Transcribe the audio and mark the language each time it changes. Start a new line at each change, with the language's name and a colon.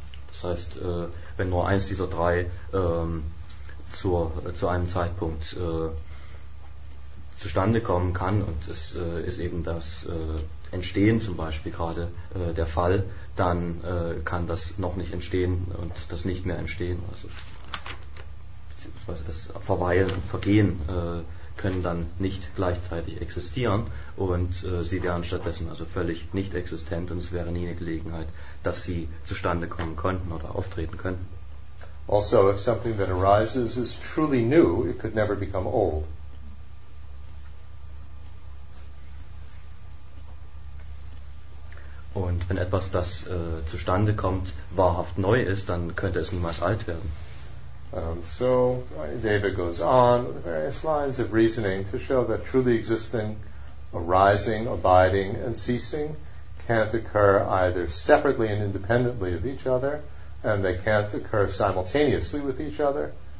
German: Das heißt, wenn nur eins dieser drei zu einem Zeitpunkt zustande kommen kann, und es ist eben das Entstehen zum Beispiel gerade der Fall, dann kann das noch nicht entstehen und das nicht mehr entstehen. Also, beziehungsweise das Verweilen und Vergehen können dann nicht gleichzeitig existieren und sie wären stattdessen also völlig nicht existent und es wäre nie eine Gelegenheit, dass sie zustande kommen könnten oder auftreten könnten.
English: Also, if something that arises is truly new, it could never become old.
German: Und wenn etwas, das zustande kommt, wahrhaft neu ist, dann könnte es niemals alt werden.
English: So, David goes on with various lines of reasoning to show that truly existing, arising, abiding, and ceasing can't occur either separately and independently of each other, and they can't occur simultaneously with each other.